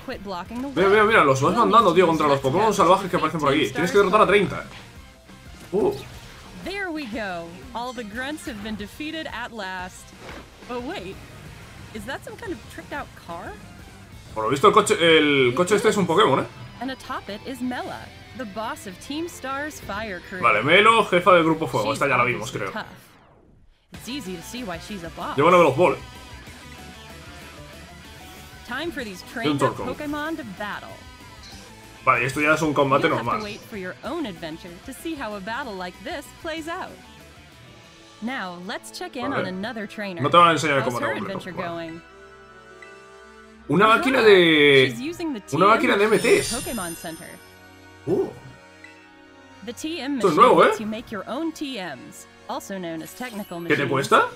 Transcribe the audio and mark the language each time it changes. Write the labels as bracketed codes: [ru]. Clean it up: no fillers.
[es] Mira, mira, los vas mandando, tío, contra los Pokémon salvajes que aparecen por aquí. Tienes que derrotar a 30. [en] There we go. All the grunts have been defeated at last. Oh wait. Is that some kind of tricked out car? [es] Por lo visto el coche este es un Pokémon, [en] And atop it is Mela, The boss of Team Star's fire crew. [es] Vale, Melo, jefa del grupo fuego. Esta ya la vimos, creo. [en] It's easy to see why she's a boss. [es] Llevan a ver los balls. [en] Time for these trained Pokémon to battle. [es] Vale, esto ya es un combate normal. [en] You have to wait for your own adventure to see how a battle like this plays out. Now, let's check in on another trainer. [es] No te van a enseñar cómo te va. Una máquina de... Una máquina de MTs. Pokémon Center. [en] The TM machine lets you make your own TMs. [es] ¿Qué te cuesta?